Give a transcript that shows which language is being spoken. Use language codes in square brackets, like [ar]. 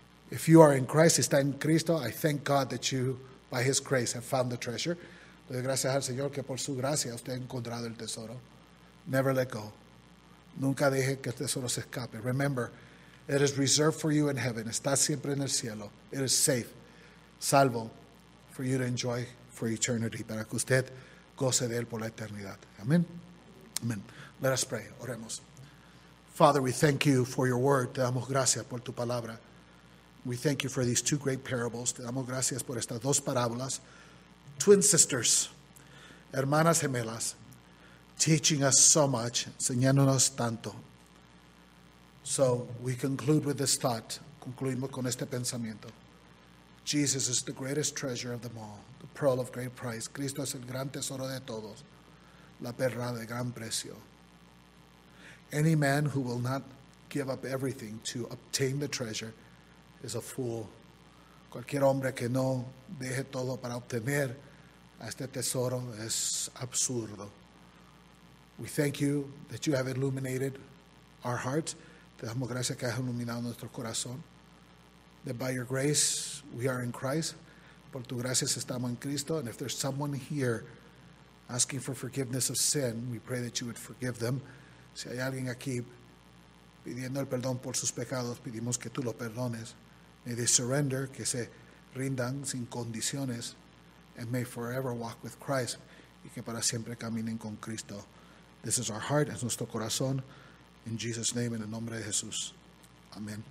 [en] If you are in Christ, [es] está en Cristo, [en] I thank God that you, by His grace, have found the treasure. [es] Le doy gracias al Señor que por su gracia usted ha encontrado el tesoro. [en] Never let go. [es] Nunca deje que el tesoro se escape. [en] Remember, it is reserved for you in heaven. [es] Está siempre en el cielo. [en] It is safe, salvo, for you to enjoy for eternity. [es] Para que usted goce de él por la eternidad. [en] Amen. Amen. Let us pray. [es] Oremos. [en] Father, we thank you for your word. [es] Te damos gracias por tu palabra. [en] We thank you for these two great parables. [es] Te damos gracias por estas dos parábolas. [en] Twin sisters, [es] hermanas gemelas, [en] teaching us so much, [es] enseñándonos tanto. [en] So we conclude with this thought. [es] Concluimos con este pensamiento. [en] Jesus is the greatest treasure of them all, the pearl of great price. [es] Cristo es el gran tesoro de todos, la perla de gran precio. [en] Any man who will not give up everything to obtain the treasure is a fool. [es] Cualquier hombre que no deje todo para obtener este tesoro es absurdo. [en] We thank you that you have illuminated our hearts. [es] Te damos gracias que has iluminado nuestro corazón. [en] That by your grace we are in Christ. [es] Por tu gracia estamos en Cristo. [en] And if there's someone here asking for forgiveness of sin, we pray that you would forgive them. [es] Si hay alguien aquí pidiendo el perdón por sus pecados, pedimos que tú lo perdones. [en] May they surrender, [es] que se rindan sin condiciones, [en] and may forever walk with Christ, [es] y que para siempre caminen con Cristo. [en] This is our heart, [es] es nuestro corazón. [en] In Jesus' name, [es] en el nombre de Jesús. Amén.